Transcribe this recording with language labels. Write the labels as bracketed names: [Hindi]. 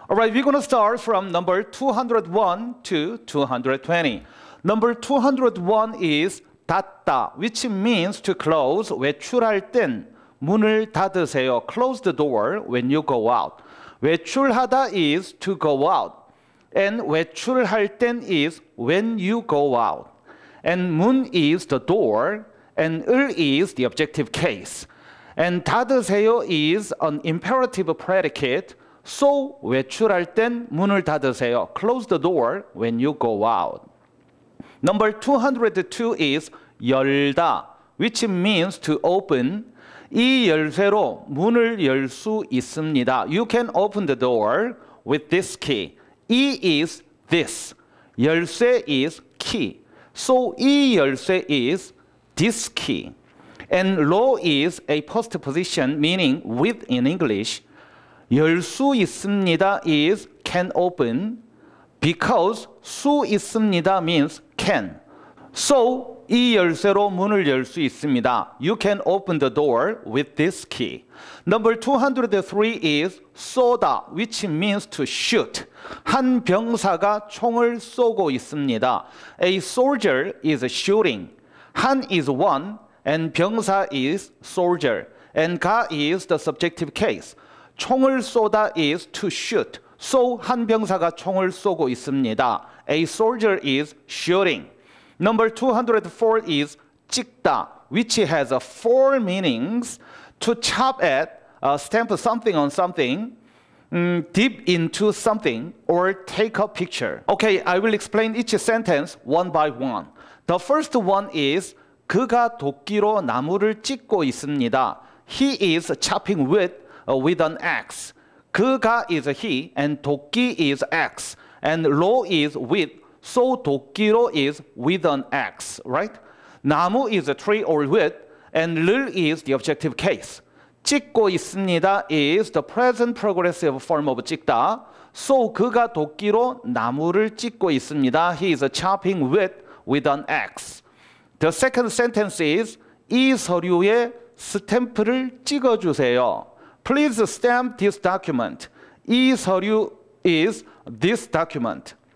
[English] All right, we're going to start from number 201 to 220. Number 201 is 닫다, which means to close. [Korean] 외출할 땐 문을 닫으세요. [English] Close the door when you go out. 외출하다 is to go out. And 외출할 땐 is when you go out. And 문 is the door. And 을 is the objective case. And 닫으세요 is an imperative predicate. [Korean] So 외출할 땐 문을 닫으세요. [English] Close the door when you go out. Number 202 is 열다, which means to open. [Korean] 이 열쇠로 문을 열 수 있습니다. [English] You can open the door with this key. 이 is this. 열쇠 is key. So 이 열쇠 is this key. And 로 is a past position, meaning with in English. 열 수 있습니다 is can open. Because 수 있습니다 means can. [Korean] So 이 열쇠로 문을 열 수 있습니다. [English] You can open the door with this key. Number 203 is 쏘다, which means to shoot. [Korean] 한 병사가 총을 쏘고 있습니다. [English] A soldier is shooting. 한 is one, and 병사 is soldier. And 가 is the subjective case. 총을 쏘다 is to shoot. [Korean] So 한 병사가 총을 쏘고 있습니다. [English] A soldier is shooting. Number 204 is 찍다, which has four meanings. To chop at, stamp something on something, dip into something, or take a picture. Okay, I will explain each sentence one by one. The first one is [Korean] 그가 도끼로 나무를 찍고 있습니다. [English] He is chopping with an axe. 그가 is he, and 도끼 is axe, and 로 is with. So 도끼로 is with an axe, right? 나무 is a tree or wood, and 를 is the objective case. 찍고 있습니다 is the present progressive form of 찍다. [Korean] So 그가 도끼로 나무를 찍고 있습니다. [English] He is chopping wood with an axe. The second sentence is [Korean] 이 서류에 스탬프를 찍어주세요. [English] Please stamp this document. 이 서류 is this document.